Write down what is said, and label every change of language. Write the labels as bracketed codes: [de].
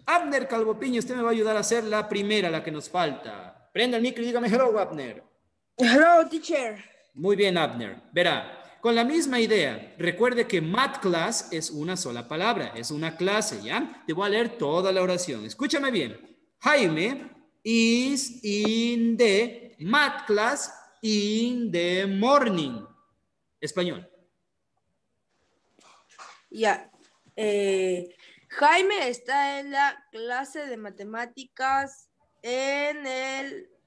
[es] Abner Calvo Piño, usted me va a ayudar a hacer la primera, la que nos falta. Prenda el micro y dígame [en] hello, [es] Abner. [en] Hello, teacher. [es] Muy bien, Abner. Verá, con la misma idea, recuerde que math class es una sola palabra, es una clase, ¿ya? Te voy a leer toda la oración. Escúchame bien. [en] Jaime is in the math class in the morning. [es] Español. Ya. Jaime está en la clase de matemáticas en el...